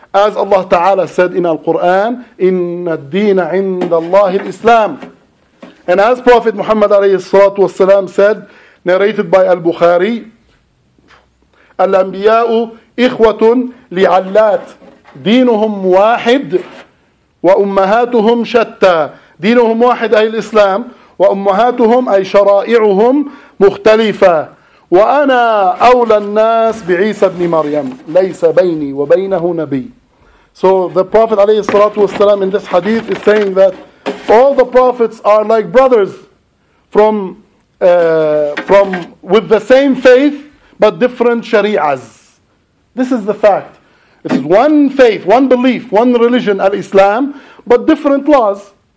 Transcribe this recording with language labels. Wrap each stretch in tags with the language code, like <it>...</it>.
<en>As Allah Ta'ala said in Al-Quran,</en> <ar>إِنَّ الدِّينَ عِنْدَ اللَّهِ الْإِسْلَامِ.</ar> <en>And as Prophet Muhammad alayhi salatu wassalam said, narrated by Al-Bukhari,</en> <ar>الْأَنْبِيَاءُ إِخْوَةٌ لِعَلَّاتِ دينهم واحد وأمهاتهم شتى. دينهم واحد أي الإسلام، وأمهاتهم أي شرائعهم مختلفة، وأنا أولى الناس بعيسى بن مريم ليس بيني وبينه نبي.</ar> <en>So the Prophet</en> <ar>عليه الصلاة والسلام</ar> <en>in this hadith is saying that all the prophets are like brothers from with the same faith but different shari'as. This is the fact. This is one faith, one belief, one religion, Al-Islam, but different laws.</en>